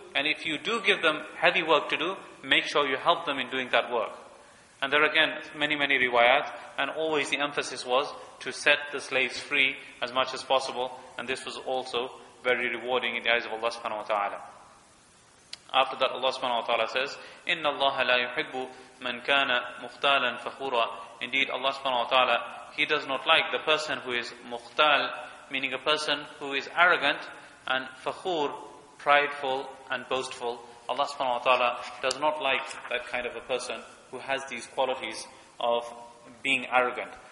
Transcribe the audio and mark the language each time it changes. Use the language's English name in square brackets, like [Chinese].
[English] And if you do give them heavy work to do, make sure you help them in doing that work. And there are again many, many riwayat, and always the emphasis was to set the slaves free as much as possible, and this was also very rewarding in the eyes of Allah subhanahu wa ta'ala. After that, Allah subhanahu wa ta'ala says, [Arabic] إِنَّ اللَّهَ لَا يُحِبُّ مَنْ كَانَ مُخْتَالًا فَخُورًا. [English] Indeed, Allah subhanahu wa ta'ala, He does not like the person who is مُخْتَال, meaning a person who is arrogant, and فَخُور, prideful and boastful. Allah subhanahu wa ta'ala does not like that kind of a person who has these qualities of being arrogant.